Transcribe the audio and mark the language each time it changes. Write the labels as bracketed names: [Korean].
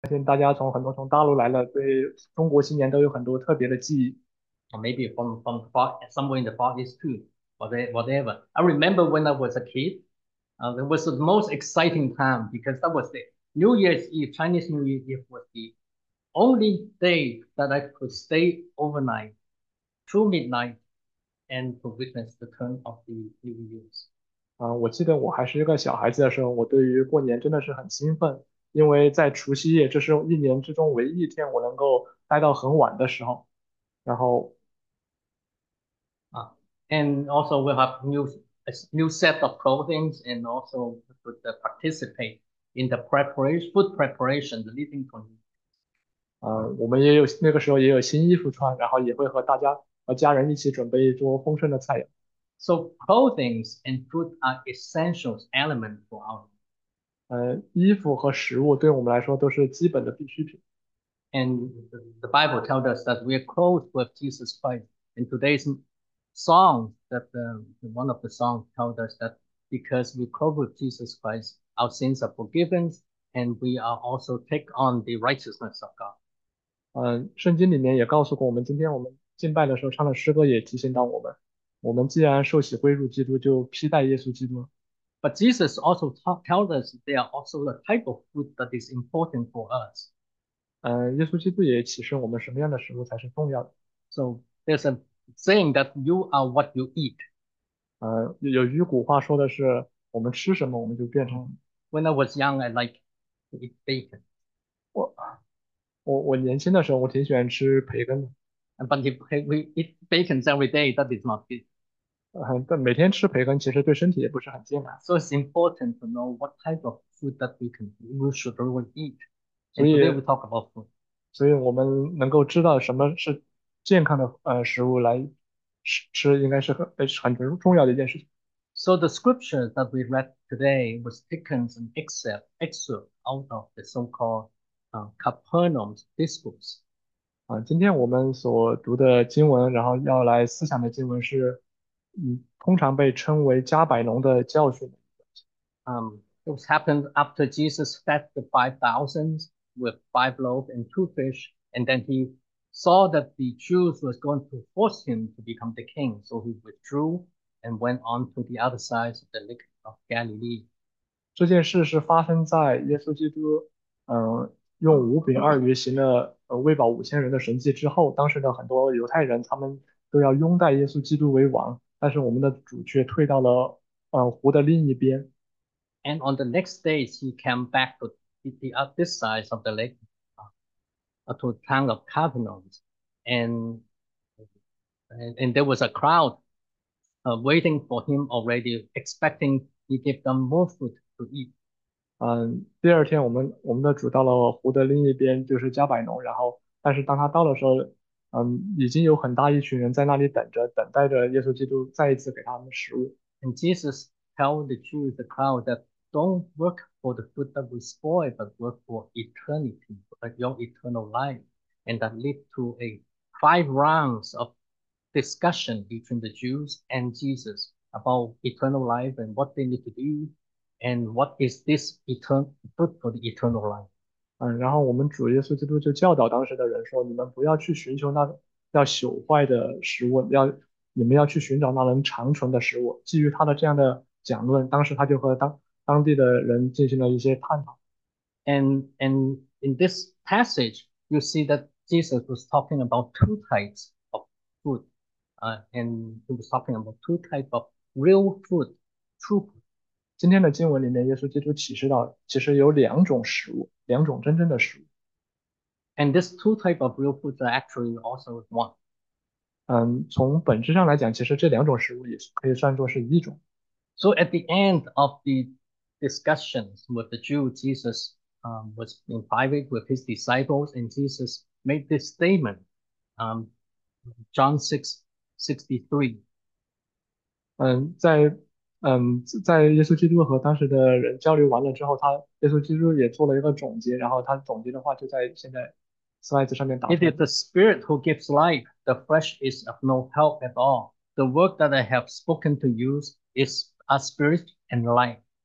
[Chinese] 相信大家从大陆来了，对中国新年都有很多特别的记忆。 [English] Maybe from far somewhere in the Far East too, whatever. I remember when I was a kid, that was the most exciting time because that was the New Year's Eve. Chinese New Year's Eve was the only day that I could stay overnight through midnight and to witness the turn of the New Year's. [Chinese] 我记得我还是一个小孩子的时候，我对于过年真的是很兴奋，因为在除夕夜，这是一年之中唯一一天我能够待到很晚的时候。然后， [English] And also we have a new set of clothing and also could participate in the preparation, food preparation, the living condition. [Chinese] 我们也有那个时候也有新衣服穿，然后也会和家人一起准备一桌丰盛的菜肴。 [English] So clothing and food are essential elements for our [Chinese] 衣服和食物对我们来说都是基本的必需品。 [English] And the Bible tells us that we are clothed with Jesus Christ in today's song that one of the songs told us that because we cope with Jesus Christ, our sins are forgiven and we are also take on the righteousness of God. [Chinese] 圣经里面也告诉过我们，今天我们敬拜的时候唱的诗歌也提醒到我们，我们既然受洗归入基督，就披戴耶稣基督。 [English] But Jesus also tells us there are also the type of food that is important for us. [Chinese] 耶稣基督也启示我们什么样的食物才是重要的。 [English] So there's a saying that you are what you eat. [Chinese] 有句古话说的是，我们吃什么，我们就变成。 [English] When I was young, I liked to eat bacon. [Chinese] 我年轻的时候，我挺喜欢吃培根 [English] But if we eat bacon every day, that is not good. [Chinese] 但每天吃培根其实对身体也不是很健康。 [English] So it's important to know what type of food that we should really eat. [Chinese] 所 [English] And today [Chinese] 以。 [English] we talk about food. [Chinese] 所以我们能够知道什么是健康的食物来吃，应该是很重要的一件事情。 [English] So the scripture that we read today was taken an excerpt out of the so-called Capernaum discourse. [Chinese] 今天我们所读的经文，然后要来思想的经文是，通常被称为加百农的教训。 [English] It was happened after Jesus fed the 5,000 with 5 loaves and 2 fish, and then he saw that the Jews was going to force him to become the king, so he withdrew and went on to the other side of the Lake of Galilee. [Chinese] 这件事是发生在耶稣基督，用五饼二鱼行了，喂饱5000人的神迹之后。当时的很多犹太人，他们都要拥戴耶稣基督为王，但是我们的主却退到了，湖的另一边。 [English] And on the next day, he came back to the other side of the lake, to the town of Capernaum, and there was a crowd waiting for him already, expecting he give them more food to eat. [Chinese] 第二天我们的主到了湖的另一边，就是加百农。然后，但是当他到的时候，已经有很大一群人在那里等待着耶稣基督再一次给他们食物。 [English] And Jesus tell the Jews, the crowd, that don't work for the food that will spoil, but work for eternity, your eternal life, and that lead to a 5 rounds of discussion between the Jews and Jesus about eternal life and what they need to do and what is this eternal food for the eternal life. [Chinese] 然后我们主耶稣基督就教导当时的人说：“你们不要去寻求那要朽坏的食物，你们要去寻找那能长存的食物。” 基于他的这样的讲论，当时他就和当地的人进行了一些探讨。 [English] And in this passage, you see that Jesus was talking about two types. Food, and he was talking about two types of real food, true food. [Chinese] 今天的经文里面，耶稣基督启示到，其实有两种食物。两种真正的食物。 And these two types of real foods are actually also one. 从本质上来讲，其实这两种食物也可以算作是一种。 [English] So at the end of the discussions with the Jew, Jesus was in private with his disciples, and Jesus made this statement. John 6:63. [Chinese] 在耶稣基督和当时的人交流完了之后，耶稣基督也做了一个总结，然后他总结的话就在现在 slides 上面打 [English] It [Chinese] 出来。 [English] is the spirit who gives life. The flesh is of no help at all. The word that I have spoken to you is a spirit and life.